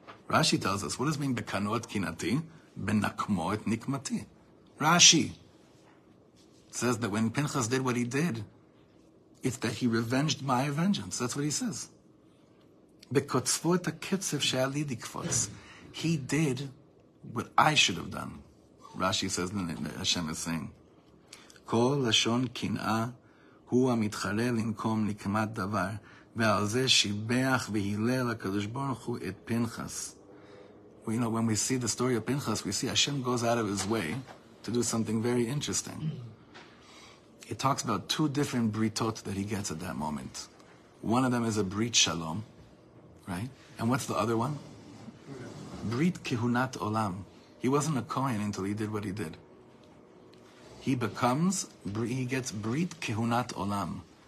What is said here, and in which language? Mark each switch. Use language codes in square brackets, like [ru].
[en] Rashi tells us, what does it mean בקנאו את קינתי? [he] בנקמו את נקמתי. [en] Rashi says that when Pinchas did what he did, it's that he revenged my vengeance. That's what he says. בקוצפו את הקצב שהיה לי לקפוץ. He did what I should have done. Rashi says, Hashem is saying, כל לשון קנאה הוא המתחרה לנקום נקמת דבר, ועל זה שיבח והילל הקדוש ברוך הוא את פנחס. Well, you know, when we see the story of Pinchas, we see Hashem goes out of his way to do something very interesting. It talks about two different britot that he gets at that moment. One of them is a brit shalom, right? And what's the other one? Brit kehunat olam. He wasn't a kohen until he did what he did. He gets brit kehunat olam.